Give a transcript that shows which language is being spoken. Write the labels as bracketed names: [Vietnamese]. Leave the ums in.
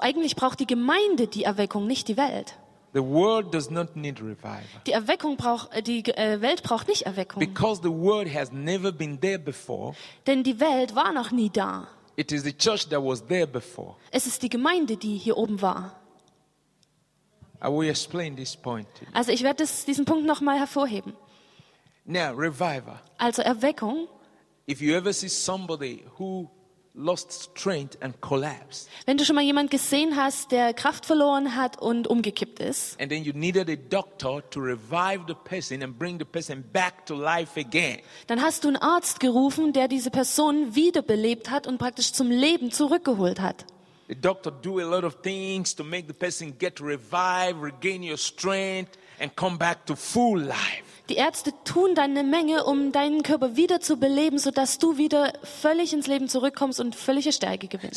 [German] eigentlich braucht die Gemeinde die Erweckung, nicht die Welt. [English] The world does not need revival. [German] Die Erweckung braucht die äh, Welt braucht nicht Erweckung. [English] Because the world has never been there before. [German] Denn die Welt war noch nie da. [English] It is the church that was there before. [German] Es ist die Gemeinde, die hier oben war. [English] I will explain this point [German] also ich werde das, diesen Punkt noch mal hervorheben. [English] Now revival. [German] Also Erweckung. [English] If you ever see somebody who lost strength and collapsed. [German] Wenn du schon mal jemand gesehen hast, der Kraft verloren hat und umgekippt ist. [English] And then you needed a doctor to revive the person and bring the person back to life again. [German] Dann hast du einen Arzt gerufen, der diese Person wiederbelebt hat und praktisch zum Leben zurückgeholt hat. [English] The doctor do a lot of things to make the person get revived, regain your strength and come back to full life. [German] Die Ärzte tun deine Menge, um deinen Körper wieder zu beleben, sodass du wieder völlig ins Leben zurückkommst und völlige Stärke gewinnst.